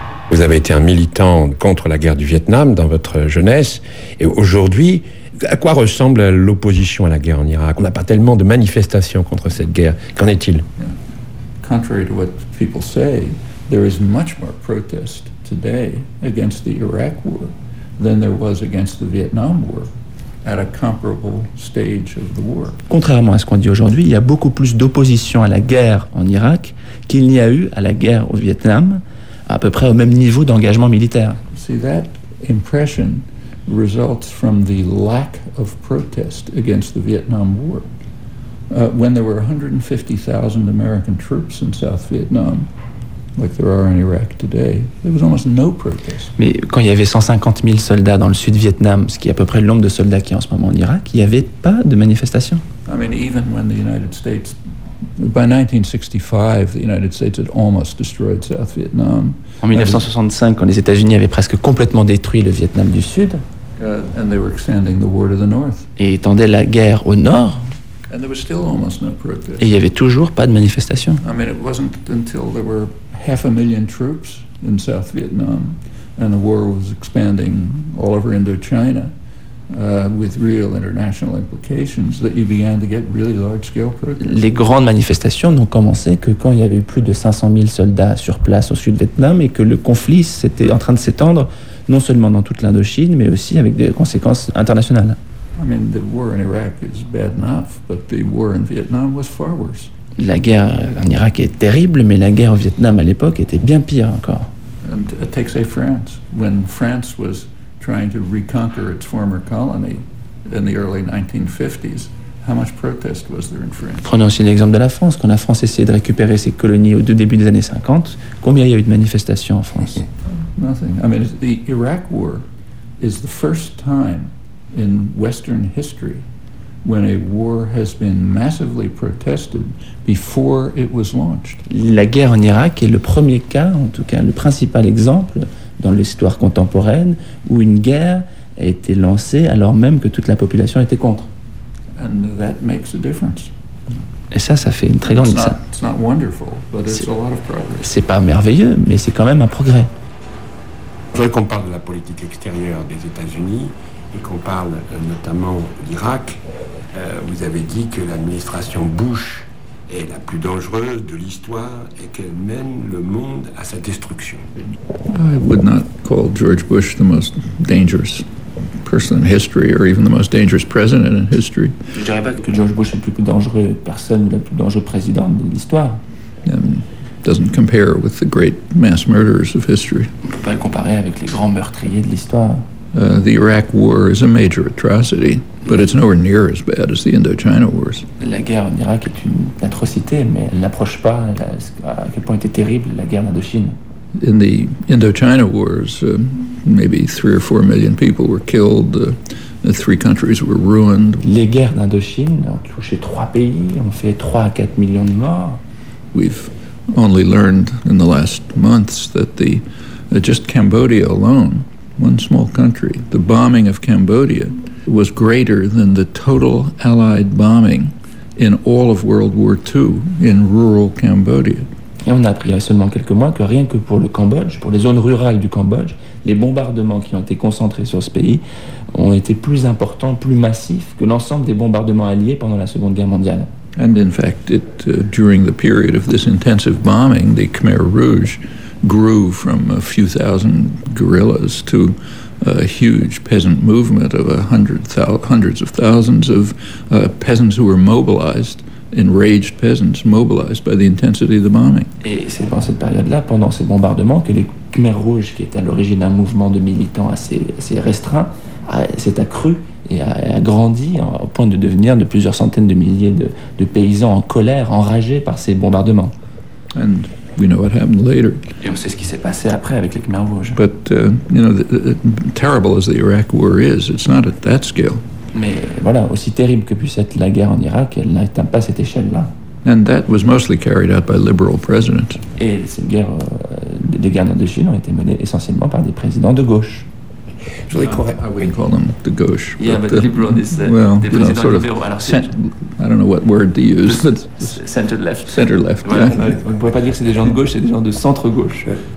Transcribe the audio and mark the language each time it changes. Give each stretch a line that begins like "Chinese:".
French: Vous avez été un militant contre la guerre du Vietnam dans votre jeunesse. Et aujourd'hui, à quoi ressemble l'opposition à la guerre en Irak? On n'a pas tellement de manifestations contre cette guerre. Qu'en est-il?
English: Contrary to what people say, there is much more protest today against the Iraq war than there was against the Vietnam war at a comparable stage of the war.
French: Contrairement à ce qu'on dit aujourd'hui, il y a beaucoup plus d'opposition à la guerre en Irak qu'il n'y a eu à la guerre au Vietnam, à peu près au même niveau d'engagement militaire.
English: See, that impression results from the lack of protest against the Vietnam War. When there were 150,000 American troops in South Vietnam, like there are in Iraq today, there was almost no protest.
French: Mais quand il y avait 150 000 soldats dans le sud Vietnam, ce qui est à peu près le nombre de soldats qu'il y a en ce moment en Irak, il n'y avait pas de manifestation.
English: I mean, even when the United States... By 1965, the United States had almost destroyed South Vietnam.
French: En 1965, quand les États-Unis avaient presque complètement détruit le Vietnam du Sud,
English: and they were extending the war to the north.
French: Et étendaient la guerre au nord,
English: and there was still almost no protest.
French: Et il n'y avait toujours pas de manifestation.
English: I mean, it wasn't until there were half a million troops in South Vietnam, and the war was expanding all over Indochina, with real international implications, that you began to get really large-scale protests.
French: Les grandes manifestations n'ont commencé que quand il y avait plus de 500 000 soldats sur place au sud de Vietnam et que le conflit s'était en train de s'étendre non seulement dans toute l'Indochine mais aussi avec des conséquences internationales.
English: I mean, the war in Iraq is bad enough, but the war in Vietnam was far worse.
French: La guerre en Irak est terrible, mais la guerre au Vietnam à l'époque était bien pire encore.
English: And take say France, when France was trying to reconquer its former colony in the early 1950s, how much protest was there in France?
French: Prenons aussi l'exemple de la France. Quand la France essayait de récupérer ses colonies au début des années 50, combien il y a eu de manifestations en France?
English: Nothing. I mean, the Iraq war is the first time in Western history when a war has been massively protested before it was launched.
French: La guerre en Irak est le premier cas, en tout cas le principal exemple dans l'histoire contemporaine, où une guerre a été lancée alors même que toute la population était contre.
English: And that makes a difference.
French: Et ça fait une très grande différence. C'est pas merveilleux, mais c'est quand même un progrès. Je voudrais qu'on parle de la politique extérieure des États-Unis et qu'on parle notamment d'Irak. Vous avez dit que l'administration Bush est la plus dangereuse de l'histoire et qu'elle mène le monde à sa destruction.
English: I would not call George Bush the most dangerous person in history or even the most dangerous president in history.
French: Je dirais pas que George Bush est la plus dangereuse personne ou la plus dangereuse présidente de l'histoire.
English: Doesn't compare with the great mass murderers of history.
French: On peut pas le comparer avec les grands meurtriers de l'histoire.
English: The Iraq war is a major atrocity, but it's nowhere near as bad as the Indochina wars.
French: La guerre en Irak est une atrocité, mais elle n'approche pas à quel point était terrible la guerre d'Indochine.
English: In the Indochina wars, maybe 3 or 4 million people were killed. The three countries were ruined.
French: Les guerres d'Indochine ont touché trois pays, ont fait 3 à 4 millions de morts.
English: We've only learned in the last months that just Cambodia alone one small country. The bombing of Cambodia was greater than the total Allied bombing in all of World War II in rural Cambodia.
French: Et on a appris il y a seulement quelques mois que rien que pour le Cambodge, pour les zones rurales du Cambodge, les bombardements qui ont été concentrés sur ce pays ont été plus importants, plus massifs que l'ensemble des bombardements alliés pendant la Seconde Guerre mondiale.
English: And in fact, it, during the period of this intensive bombing, the Khmer Rouge grew from a few thousand guerrillas to a huge peasant movement of hundreds of thousands of peasants who were mobilized, enraged peasants mobilized by the intensity of the bombing.
French: Et c'est pendant cette période-là, pendant ces bombardements, que les Khmer Rouge, qui était à l'origine un mouvement de militants assez restreint, s'est accru et a grandi au point de devenir de plusieurs centaines de milliers de paysans en colère, enragés par ces bombardements.
English: And we know what happened later.
French: Et on sait ce qui s'est passé après avec les Khmer Rouge.
English: But you know, terrible as the Iraq War is, it's not at that scale.
French: Mais voilà, aussi terrible que puisse être la guerre en Irak, elle n'atteint pas cette échelle-là.
English: And that was mostly carried out by liberal presidents.
French: Et cette guerre, les guerres de Chine ont été menées essentiellement par des présidents de gauche. Je voulais correct.
English: I wouldn't call them the gauche. Yeah, but the liberal is well,
French: des présidents
English: sort of
French: libéraux.
English: I don't know what word to use. But center left. Center left.
French: Voilà, yeah. On ne pourrait pas dire que c'est des gens de gauche, c'est des gens de centre gauche.